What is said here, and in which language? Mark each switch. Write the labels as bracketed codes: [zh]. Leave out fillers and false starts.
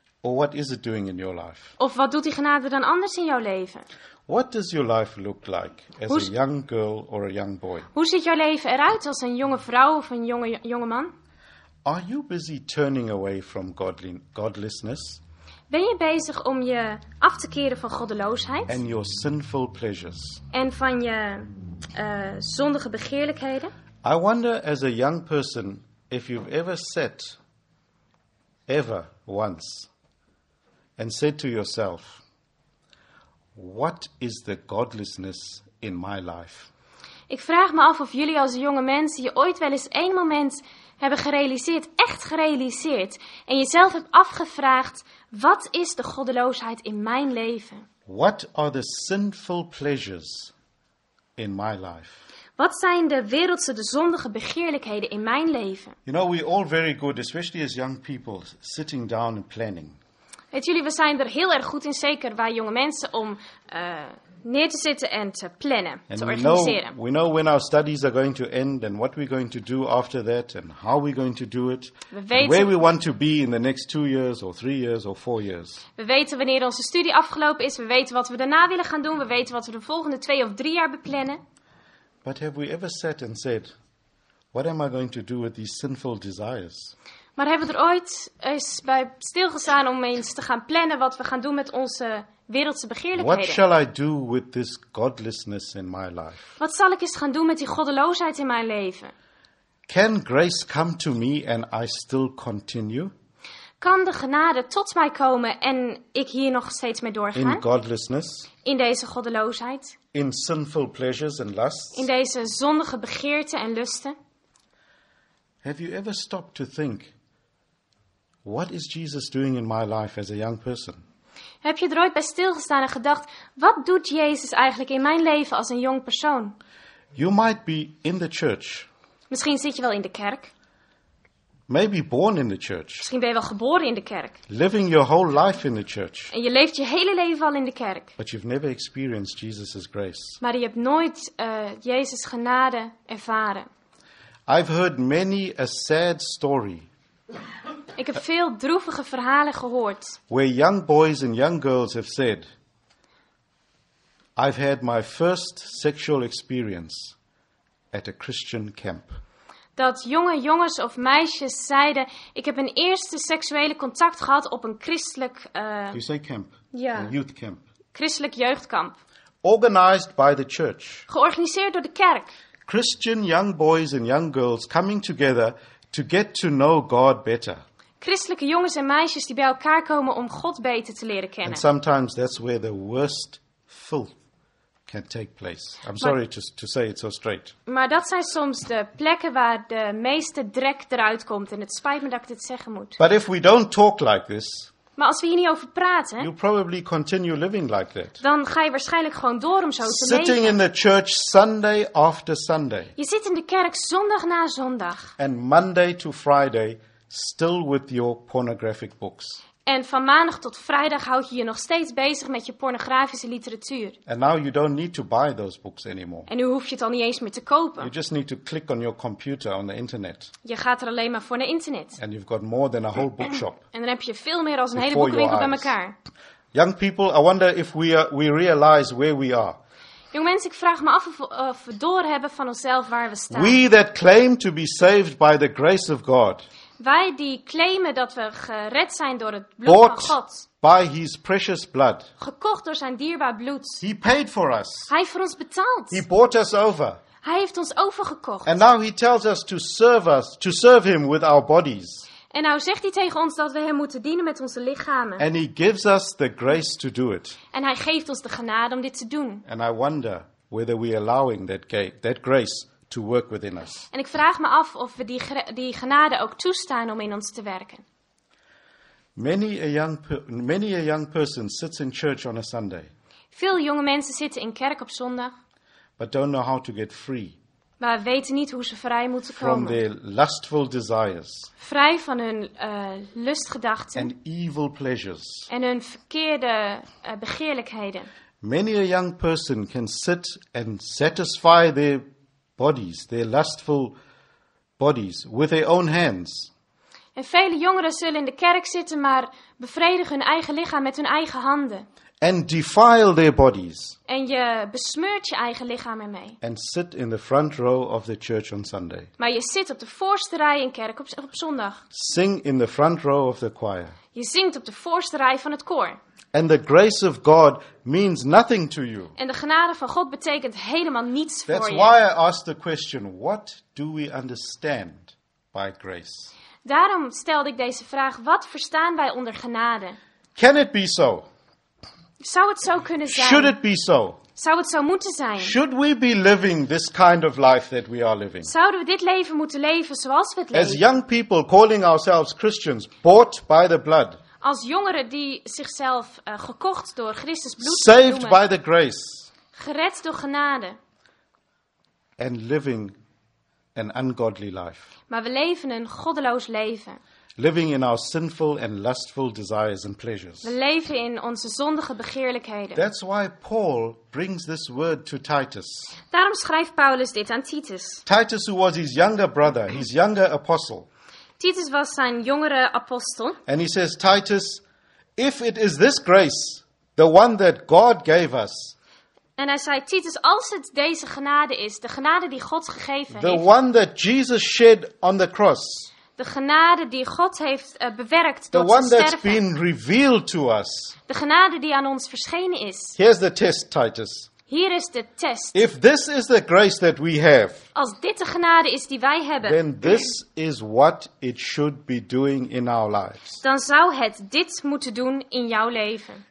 [en] Or what is it doing in your life? [nl] Of wat doet die genade dan anders in jouw leven? [en] What does your life look like as a young girl or a young boy? [nl] Hoe ziet jouw leven eruit als een jonge vrouw of een jonge man? [en] Are you busy turning away from godlessness? [nl] Ben je bezig om je af te keren van goddeloosheid? [en] And your sinful pleasures. [nl] En van je zondige begeerlijkheden? [en] I wonder as a young person if you've ever sat ever once and said to yourself, what is the godlessness in my life? [nl] Ik vraag me af of jullie als jonge mensen je ooit wel eens één moment hebben gerealiseerd, echt gerealiseerd, en jezelf hebt afgevraagd, wat is de goddeloosheid in mijn leven? [en] What are the sinful pleasures in my life? [nl] Wat zijn de wereldse, de zondige begeerlijkheden in mijn leven? [en] You know, we're all very good, especially as young people, sitting down and planning. [nl] Weet jullie, we zijn er heel erg goed in, zeker wij jonge mensen, om neer te zitten en te plannen, [en] and [nl] te organiseren. [en] We know when our studies are going to end and what we're going to do after that and how we're going to do it. Where we want to be in the next 2 years or 3 years or 4 years. [nl] We weten wanneer onze studie afgelopen is. We weten wat we daarna willen gaan doen. We weten wat we de volgende 2 of 3 jaar beplannen. [en] But have we ever sat and said, what am I going to do with these sinful desires? [nl] Maar hebben we er ooit eens bij stilgestaan om eens te gaan plannen wat we gaan doen met onze wereldse begeerlijkheden? [en] What shall I do with this godlessness in my life? [nl] Wat zal ik eens gaan doen met die goddeloosheid in mijn leven? [en] Can grace come to me and I still continue? [nl] Kan de genade tot mij komen en ik hier nog steeds mee doorgaan? [en] In godlessness? [nl] In deze goddeloosheid? [en] In sinful pleasures and lusts? [nl] In deze zondige begeerten en lusten? [en] Have you ever stopped to think, what is Jesus doing in my life as a young person? [nl] Heb je er ooit bij stilgestaan en gedacht, wat doet Jezus eigenlijk in mijn leven als een jong persoon? [en] You might be in the church. [nl] Misschien zit je wel in de kerk. [en] Maybe born in the church. [nl] Misschien ben je wel geboren in de kerk. [en] Living your whole life in the church. [nl] En je leeft je hele leven al in de kerk. [en] But you've never experienced Jesus's grace. [nl] Maar je hebt nooit Jezus' genade ervaren. [en] I've heard many a sad story. [nl] Ik heb veel droevige verhalen gehoord. [en] Where young boys and young girls have said, I've had my first sexual experience at a Christian camp. [nl] Dat jonge jongens of meisjes zeiden, ik heb een eerste seksuele contact gehad op een christelijk... [en] You say camp? [nl] Ja. [en] A youth camp. [nl] Christelijk jeugdkamp. [en] Organized by the church. [nl] Georganiseerd door de kerk. [en] Christian young boys and young girls coming together to get to know God better. [nl] Christelijke jongens en meisjes die bij elkaar komen om God beter te leren kennen. [en] And sometimes that's where the worst filth can take place. I'm sorry to say it so straight. [nl] Maar dat zijn soms de plekken waar de meeste drek eruit komt. En het spijt me dat ik dit zeggen moet. [en] But if we don't talk like this. [nl] Maar als we hier niet over praten. [en] You'll probably continue living like that. [nl] Dan ga je waarschijnlijk gewoon door om zo te leven. [en] Sitting in the church Sunday after Sunday. [nl] Je zit in de kerk zondag na zondag. [en] And Monday to Friday still with your pornographic books. [nl] En van maandag tot vrijdag houd je je nog steeds bezig met je pornografische literatuur. [en] And now you don't need to buy those books anymore. [nl] En nu hoef je het al niet eens meer te kopen. [en] You just need to click on your computer on the internet. [nl] Je gaat er alleen maar voor naar internet. [en] And you've got more than a whole bookshop. [nl] En dan heb je veel meer als een hele boekwinkel bij elkaar. [en] Young people, I wonder if we realize where we are. [nl] Jong mensen, ik vraag me af of we doorhebben van onszelf waar we staan. [en] We that claim to be saved by the grace of God. [nl] Wij die claimen dat we gered zijn door het bloed van God. [en] By his precious blood. [nl] Gekocht door zijn dierbaar bloed. [en] He paid for us. [nl] Hij heeft voor ons betaald. [en] He bought us over. [nl] Hij heeft ons overgekocht. [en] And now he tells us to serve him with our bodies. [nl] En nou zegt hij tegen ons dat we hem moeten dienen met onze lichamen. [en] And he gives us the grace to do it. [nl] En hij geeft ons de genade om dit te doen. [en] And I wonder whether we allowing that grace to work within us. [nl] En ik vraag me af of we die genade ook toestaan om in ons te werken. [en] Many a young person sits in church on a Sunday. [nl] Veel jonge mensen zitten in kerk op zondag. [en] But don't know how to get free. [nl] Maar weten niet hoe ze vrij moeten komen. [en] From their lustful desires. [nl] Vrij van hun lustgedachten. [en] And evil pleasures. [nl] En hun verkeerde begeerlijkheden. [en] Many a young person can sit and satisfy their bodies, their lustful bodies, with their own hands. [nl] En vele jongeren zullen in de kerk zitten, maar bevredigen hun eigen lichaam met hun eigen handen. [en] And defile their bodies. [nl] En je besmeurt je eigen lichaam ermee. [en] And sit in the front row of the church on Sunday. [nl] Maar je zit op de voorste rij in kerk op zondag. [en] Sing in the front row of the choir. [nl] Je zingt op de voorste rij van het koor. [en] And the grace of God means nothing to you. [nl] En de genade van God betekent helemaal niets voor je. [en] That's why I asked the question, what do we understand by grace? [nl] Daarom stelde ik deze vraag, wat verstaan wij onder genade? [en] Can it be so? [nl] Zou het zo kunnen zijn? [en] Should it be so? [nl] Zou het zo moeten zijn? [en] Should we be living this kind of life that we are living? [nl] Zouden we dit leven moeten leven zoals we het leven? [en] As young people calling ourselves Christians, bought by the blood. [nl] Als jongeren die zichzelf gekocht door Christus bloed noemen. [en] Saved by the grace. [nl] Gered door genade. [en] And living an ungodly life. [nl] Maar we leven een goddeloos leven. [en] Living in our sinful and lustful desires and pleasures. [nl] We leven in onze zondige begeerlijkheden. [en] That's why Paul brings this word to Titus. [nl] Daarom schrijft Paulus dit aan Titus. [en] Titus, who was his younger brother, his younger apostle. [nl] Titus was zijn jongere apostel. [en] And he says, Titus, if it is this grace, the one that God gave us. [nl] En hij zei, Titus, als het deze genade is, de genade die God gegeven [en] the [nl] heeft. [en] The one that Jesus shed on the cross. [nl] De genade die God heeft bewerkt [en] the [nl] door [en] one [nl] zijn [en] that's [nl] sterven. [en] Been revealed to us. [nl] De genade die aan ons verschenen is. [en] Here's the test, Titus. [nl] Hier is de test. [en] If this is the grace that we have, [nl] als dit de genade is die wij hebben, [en] then this is what it should be doing in our lives. [nl] Dan zou het dit moeten doen in jouw leven.